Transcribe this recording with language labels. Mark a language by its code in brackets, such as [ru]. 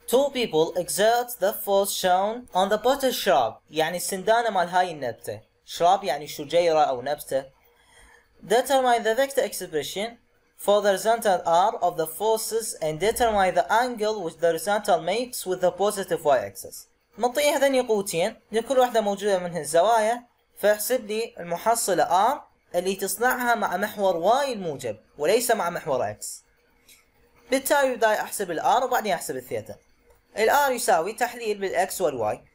[en] Two people exert the force shown on the butter shrub. [ar] يعني السندانة مال هاي النبتة. Shrub يعني شجيرة أو نبتة. [en] Determine the vector expression for the resultant R of the forces and determine the angle which the resultant makes with the positive y-axis. [ar] منطقي هذني قوتين لكل واحدة موجودة من الزوايا. فاحسب لي المحصلة R اللي تصنعها مع محور Y الموجب وليس مع محور X. بالتالي بداية أحسب الR وبعدين أحسب الثيتا. الR يساوي تحليل بالX والY.